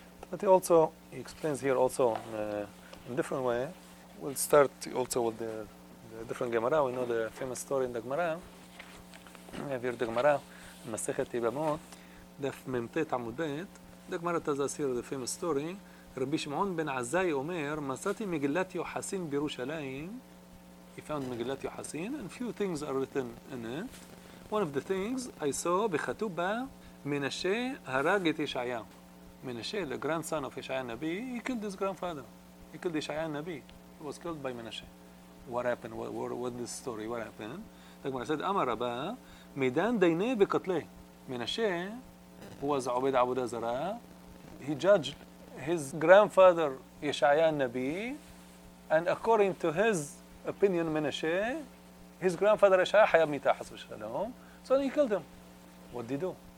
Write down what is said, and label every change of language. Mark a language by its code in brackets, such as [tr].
[en] But he explains here also in a different way. We'll start also with the different Gemara. We know the famous story in the Gemara. We have here the Gemara, Masechet Yevamot, Daf Memtet Amudet. The Gemara tells us here the famous story. [he] רבי שמעון בן עזאי אומר, מצאתי מגילת יוחסין בירושלים. [en] He found מגילת יוחסין, and few things are written in it. One of the things I saw, [he] וכתוב בה, מנשה הרג את ישעיה. [en] מנשה, the grandson of ישעיה הנביא, he killed his grandfather. He killed ישעיה הנביא. He was killed by מנשה. What happened? What this story? What happened? The Gemara said, [he] אמר רבה, מדן דיינה וקטלה. [en] מנשה, who was עובד עבודה זרה, he judged his grandfather, Yeshaya Nabi, and according to his opinion, Menashe, his grandfather, Yeshaya, [he] Hayab Mita, [en] Hasb Shalom, so he killed him. What did he do?